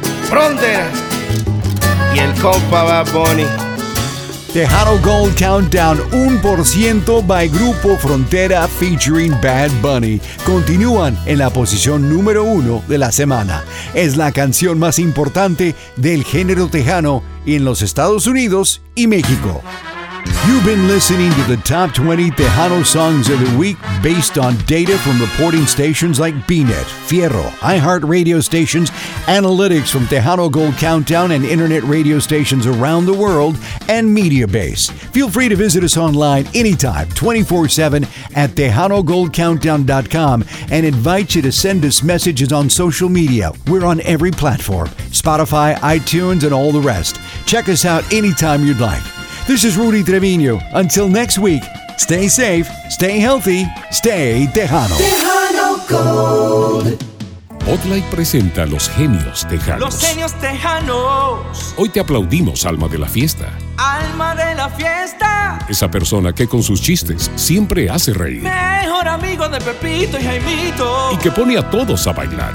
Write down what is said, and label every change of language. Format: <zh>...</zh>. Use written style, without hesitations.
<es>Cárdenas y el compa Bad Bunny.</es> <en>Tejano Gold Countdown 1% by Grupo Frontera featuring Bad Bunny.</en> <es>Continúan en la posición número 1 de la semana. Es la canción más importante del género tejano en los Estados Unidos y México.</es> <en>You've been listening to the top 20 Tejano songs of the week based on data from reporting stations like BNET, Fierro, iHeart radio stations, analytics from Tejano Gold Countdown and internet radio stations around the world, and MediaBase. Feel free to visit us online anytime, 24/7 at TejanoGoldCountdown.com and invite you to send us messages on social media. We're on every platform, Spotify, iTunes, and all the rest. Check us out anytime you'd like. This is Rudy Treviño. Until next week, stay safe, stay healthy, stay Tejano. Tejano Gold.</en> <es>Botlight presenta a los genios tejanos. Los genios tejanos. Hoy te aplaudimos, alma de la fiesta. Alma de la fiesta. Esa persona que con sus chistes siempre hace reír. Mejor amigo de Pepito y Jaimito. Y que pone a todos a bailar.</es>